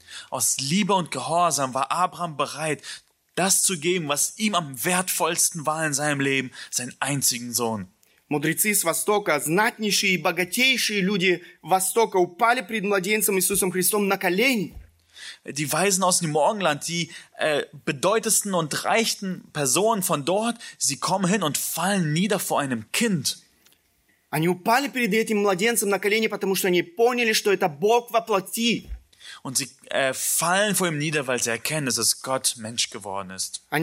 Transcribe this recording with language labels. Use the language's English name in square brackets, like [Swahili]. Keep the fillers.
[German] Aus Liebe und Gehorsam war Abraham bereit, das zu geben, was ihm am wertvollsten war in seinem Leben, seinen einzigen Sohn. [Russian] Мудрецы с Востока, знатнейшие и богатейшие люди Востока упали пред младенцем Иисусом Христом на колени. [German] Die Weisen aus dem Morgenland, die äh, bedeutendsten und reichsten Personen von dort, sie kommen hin und fallen nieder vor einem Kind. [Russian] Они упали перед этим младенцем на колени, потому что они поняли, что это Бог воплоти. [German] und sie äh, fallen vor ihm nieder, weil sie erkennen, dass es Gott Mensch geworden ist.